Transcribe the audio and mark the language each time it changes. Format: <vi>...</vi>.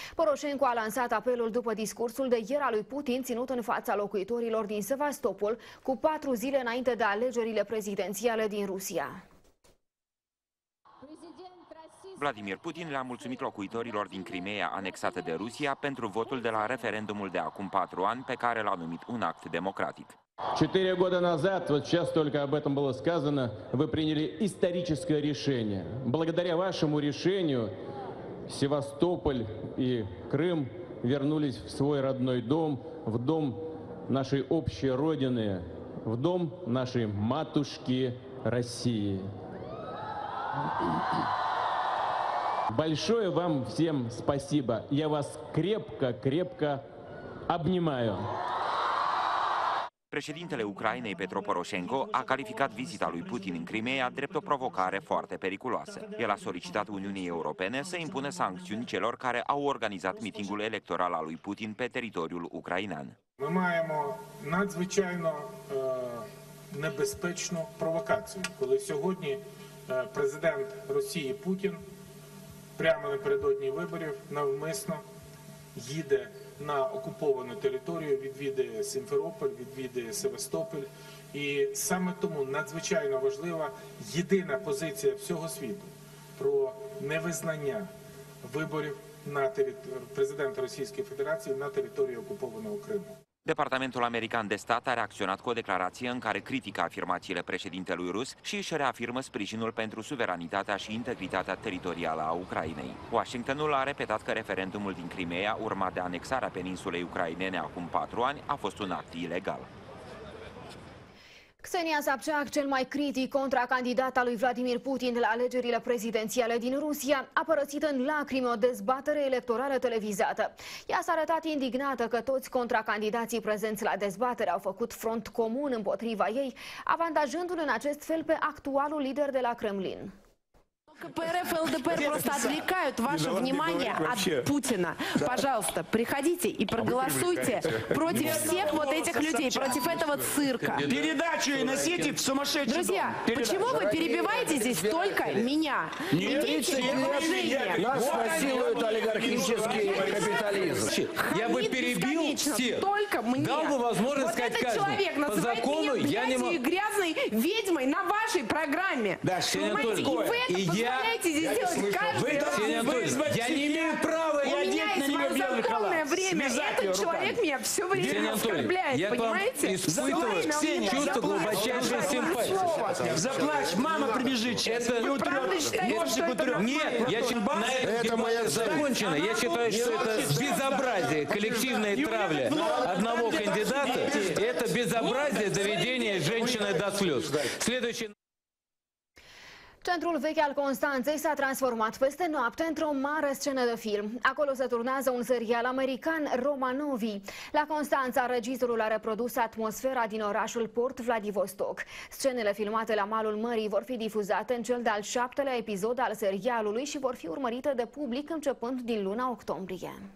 <ro>Poroshenko a lansat apelul după discursul de ieri al lui Putin, ținut în fața locuitorilor din Sevastopol, cu 4 zile înainte de alegerile prezidențiale din Rusia. Vladimir Putin le-a mulțumit locuitorilor din Crimeea anexată de Rusia pentru votul de la referendumul de acum 4 ani, pe care l-a numit un act democratic.</ro> <ru>4 года назад, вот сейчас только об этом было сказано, вы приняли историческое решение. Благодаря вашему решению Севастополь и Крым вернулись в свой родной дом, в дом нашей общей родины, в дом нашей матушки России. Большое вам всем спасибо. Я вас крепко-крепко обнимаю.</ru> <ro>Președintele Ucrainei Petro Poroshenko a calificat vizita lui Putin în Crimeea drept o provocare foarte periculoasă. El a solicitat Uniunii Europene să impună sancțiuni celor care au organizat mitingul electoral al lui Putin pe teritoriul ucrainean.</ro> <uk>Ми маємо надзвичайно небезпечну провокацію, коли сьогодні президент Росії Путін прямо напередодні виборів навмисно їде на окуповану територію, відвідує Сімферополь, відвідує Севастополь. І саме тому надзвичайно важлива єдина позиція всього світу про невизнання виборів на президента Російської Федерації на території окупованого Криму.</uk> <ro>Departamentul American de Stat a reacționat cu o declarație în care critică afirmațiile președintelui rus și își reafirmă sprijinul pentru suveranitatea și integritatea teritorială a Ucrainei. Washingtonul a repetat că referendumul din Crimeea, urmat de anexarea peninsulei ucrainene acum 4 ani, a fost un act ilegal. Ksenia Sobchak, cel mai critic contracandidat al lui Vladimir Putin la alegerile prezidențiale din Rusia, a părăsit în lacrimi o dezbatere electorală televizată. Ea s-a arătat indignată că toți contracandidații prezenți la dezbatere au făcut front comun împotriva ei, avantajându-l în acest fel pe actualul lider de la Kremlin.</ro> <ru>КПРФ, ЛДПР просто отвлекают ваше внимание от Путина. Пожалуйста, приходите и проголосуйте против всех вот этих людей, против этого цирка. Передачу и носите в сумасшедший дом. Друзья, почему вы перебиваете здесь только меня? Имейте уважение. Нас насилует олигархический капитализм. Я бы перебил всех. Только мне. Дал бы возможность сказать каждому. Вот этот человек называет меня грязью и грязной ведьмой на вашей программе. Да, Ксения Анатольевна. И вы это позволяете здесь делать каждый раз. Ксения Анатольевна, я не имею права надеть на нее белый халат. У меня есть мое законное время. Этот человек меня все время оскорбляет. Понимаете? Испытываю чувство глубочайшей симпатии. Заплачь, мама прибежит. Это утрёк. Нет, я считаю, это моя закончена. Я считаю, что это безобразие коллективной травли одного кандидата. Это безобразие доведения женщины до слез. Следующий.</ru> <ro>Centrul vechi al Constanței s-a transformat peste noapte într-o mare scenă de film. Acolo se turnează un serial american, Romanovii. La Constanța, regizorul a reprodus atmosfera din orașul Port Vladivostok. Scenele filmate la malul mării vor fi difuzate în cel de-al șaptelea episod al serialului și vor fi urmărite de public începând din luna octombrie.</ro>